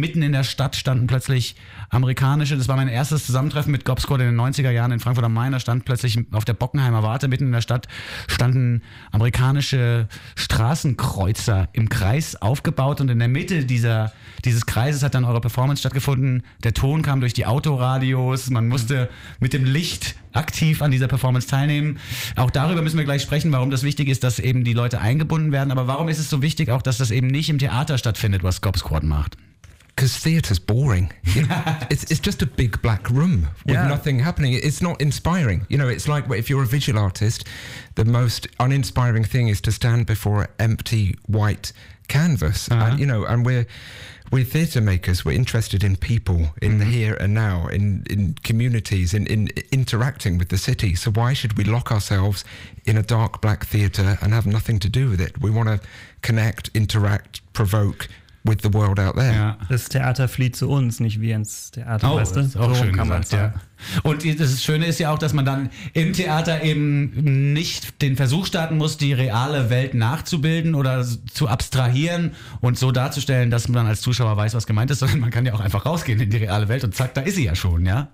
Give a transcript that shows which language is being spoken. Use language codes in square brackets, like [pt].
[de] Mitten in der Stadt standen plötzlich amerikanische, das war mein erstes Zusammentreffen mit Gob Squad in den 90er Jahren in Frankfurt am Main, da stand plötzlich auf der Bockenheimer Warte, mitten in der Stadt standen amerikanische Straßenkreuzer im Kreis aufgebaut und in der Mitte dieses Kreises hat dann eure Performance stattgefunden. Der Ton kam durch die Autoradios, man musste mit dem Licht aktiv an dieser Performance teilnehmen. Auch darüber müssen wir gleich sprechen, warum das wichtig ist, dass eben die Leute eingebunden werden. Aber warum ist es so wichtig auch, dass das eben nicht im Theater stattfindet, was Gob Squad macht? [en] Because theater's boring. It's just a big black room with nothing happening. It's not inspiring. You know, it's like if you're a visual artist, the most uninspiring thing is to stand before an empty white canvas. Uh-huh. And, you know, and we're theater makers. We're interested in people, in mm-hmm. the here and now, in communities, in interacting with the city. So why should we lock ourselves in a dark black theater and have nothing to do with it? We want to connect, interact, provoke, with the world out there. [de] Ja. Das Theater flieht zu uns, nicht wie ins Theater. Oh, weißt du? Das ist auch so schön kann gesagt, ja. Und das Schöne ist ja auch, dass man dann im Theater eben nicht den Versuch starten muss, die reale Welt nachzubilden oder zu abstrahieren und so darzustellen, dass man dann als Zuschauer weiß, was gemeint ist, sondern man kann ja auch einfach rausgehen in die reale Welt und zack, da ist sie ja schon, ja.